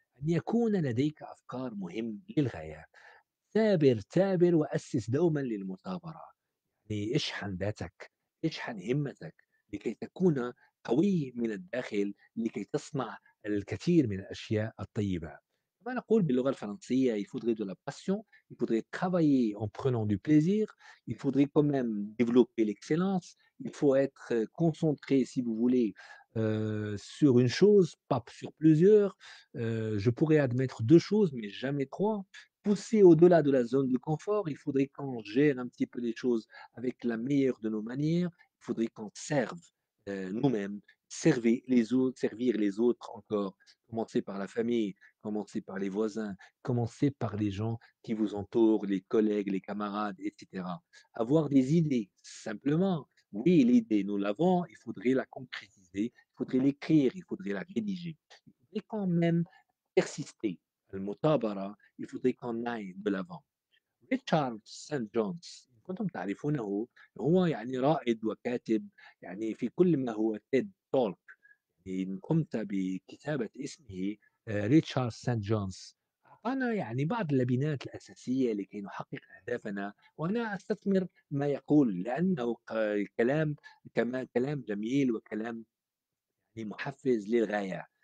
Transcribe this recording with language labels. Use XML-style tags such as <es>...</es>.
<ar>أن يكون لديك أفكار مهم للغاية، ثابر وأسس دوما للمثابرة، اشحن ذاتك، اشحن همتك لكي تكون قوي من الداخل، لكي تصنع الكثير من الأشياء الطيبة. ما نقول باللغة الفرنسية،</ar> <fr>il faudrait de la passion, il faudrait travailler en prenant du plaisir, il faudrait quand même développer l'excellence, il faut être concentré si vous voulez sur une chose, pas sur plusieurs. Je pourrais admettre 2 choses, mais jamais 3. Pousser au-delà de la zone de confort, il faudrait qu'on gère un petit peu les choses avec la meilleure de nos manières, il faudrait qu'on serve nous-mêmes, servir les autres, encore, commencer par la famille, commencer par les voisins, commencer par les gens qui vous entourent, les collègues, les camarades, etc. Avoir des idées, simplement. Oui, l'idée, nous l'avons, il faudrait la concrétiser, il faudrait l'écrire, il faudrait la rédiger. Il faudrait quand même persister. Le mot tabara, il faudrait qu'on aille de l'avant. Richard St. John's, quand on t'arrive au Nahu, il y a un raïd ou un katib, il y a un kulim Nahu, un TED Talk,</fr> <ar>إن قمت بكتابة اسمه ريتشارد سانت جونز، أعطانا يعني بعض اللبنات الأساسية لكي نحقق أهدافنا، وأنا أستثمر ما يقول لأنه كلام كما كلام جميل وكلام يعني محفز للغاية.</ar>